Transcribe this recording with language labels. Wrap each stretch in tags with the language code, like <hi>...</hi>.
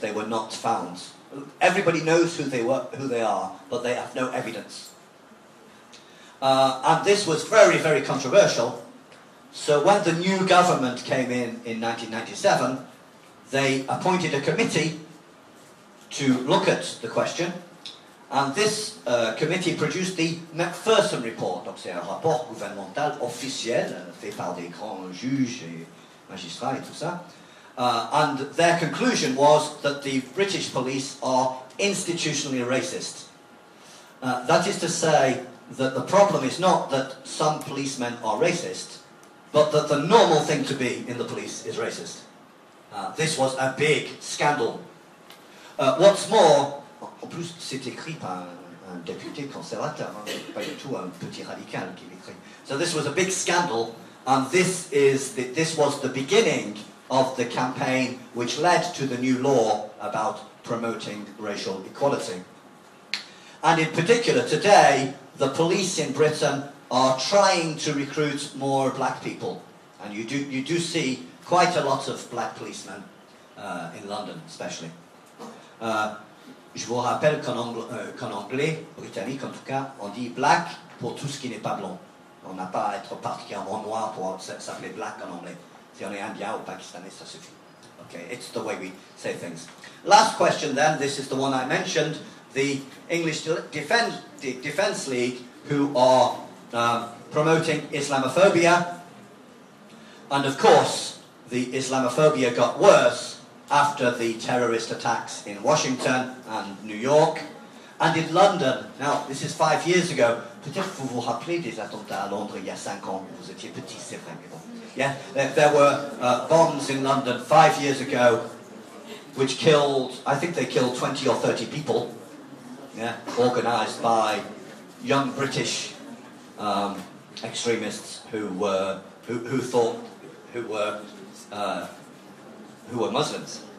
<en>They were not found. Everybody knows who they were, who they are, but they have no evidence. And this was very, very controversial. So when the new government came in 1997, they appointed a committee to look at the question. And this committee produced the McPherson Report.</en> <fr>Donc c'est un rapport gouvernemental officiel fait par des grands juges et magistrats et tout ça.</fr> <en>And their conclusion was that the British police are institutionally racist. That is to say that the problem is not that some policemen are racist, but that the normal thing to be in the police is racist. This was a big scandal. What's more,</en> <fr>en plus, c'est écrit par un député conservateur, hein, pas du tout un petit radical qui l'écrit.</fr> <en>So this was a big scandal, and this was the beginning of the campaign which led to the new law about promoting racial equality. And in particular, today, the police in Britain are trying to recruit more black people. And you do see quite a lot of black policemen in London, especially.</en> <fr>Je vous rappelle qu'en anglais, britannique en tout cas, on dit black pour tout ce qui n'est pas blanc. On n'a pas à être particulièrement noir pour s'appeler black en anglais. Si on est indien ou pakistanais, ça suffit.</fr> <en>Okay, it's the way we say things. Last question then, this is the one I mentioned. The English Defence League, who are promoting Islamophobia. And of course, the Islamophobia got worse after the terrorist attacks in Washington and New York, and in London. Now, this is 5 years ago.</en> <fr>Peut-être que vous vous rappelez des attentats à Londres il y a 5 ans. Vous étiez petit, c'est vrai.</fr> <en>Yeah, there were bombs in London 5 years ago, which killed, I think they killed 20 or 30 people, yeah, organized by young British extremists who were Muslims.</en>